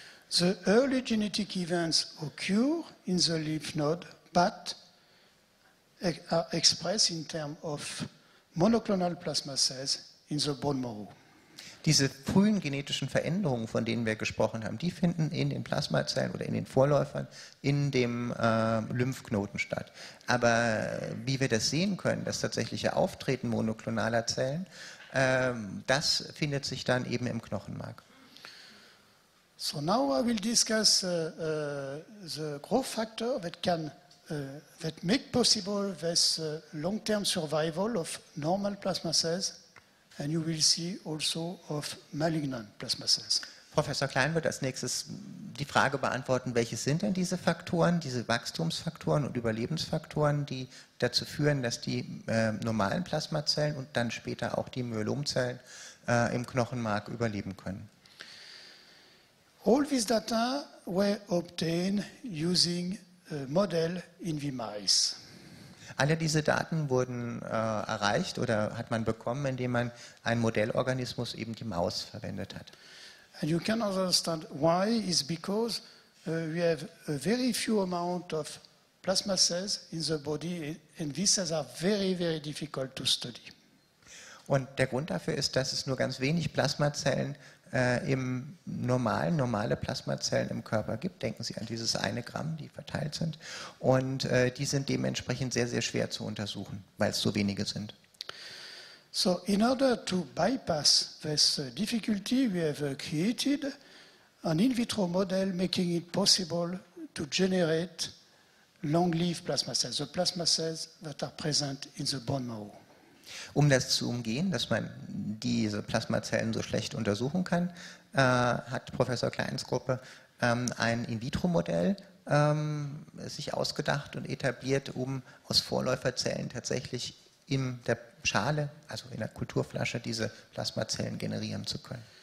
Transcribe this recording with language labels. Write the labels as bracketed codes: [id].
[en] The early genetic events occur in the lymph node, but are expressed in terms of monoclonal plasma cells in the bone marrow. [de] Diese frühen genetischen Veränderungen, von denen wir gesprochen haben, die finden in den Plasmazellen oder in den Vorläufern in dem Lymphknoten statt. Aber wie wir das sehen können, das tatsächliche Auftreten monoklonaler Zellen, das findet sich dann eben im Knochenmark. [en] So now I will discuss the growth factor that can that make possible this long-term survival of normal plasma cells. And you will see also of malignant plasma cells. [de] Professor Klein wird als nächstes die Frage beantworten, welche sind denn diese Faktoren, diese Wachstumsfaktoren und Überlebensfaktoren, die dazu führen, dass die normalen Plasmazellen und dann später auch die Myelomzellen im Knochenmark überleben können. [en] All these data were obtained using a model in the mice. [de] Alle diese Daten wurden erreicht oder hat man bekommen, indem man einen Modellorganismus, eben die Maus, verwendet hat. [en] And you can understand why is because we have a very few amount of plasma cells in the body and these cells are very, very difficult to study. [de] Und der Grund dafür ist, dass es nur ganz wenig Plasmazellen normale Plasmazellen im Körper gibt. Denken Sie an dieses 1 Gramm, die verteilt sind. Und die sind dementsprechend sehr, sehr schwer zu untersuchen, weil es so wenige sind. [en] So, in order to bypass this difficulty, we have created an in vitro model making it possible to generate long-lived plasma cells, the plasma cells that are present in the bone marrow. [de] Um das zu umgehen, dass man diese Plasmazellen so schlecht untersuchen kann, hat Professor Kleins Gruppe ein In-vitro-Modell sich ausgedacht und etabliert, um aus Vorläuferzellen tatsächlich in der Schale, also in der Kulturflasche, diese Plasmazellen generieren zu können.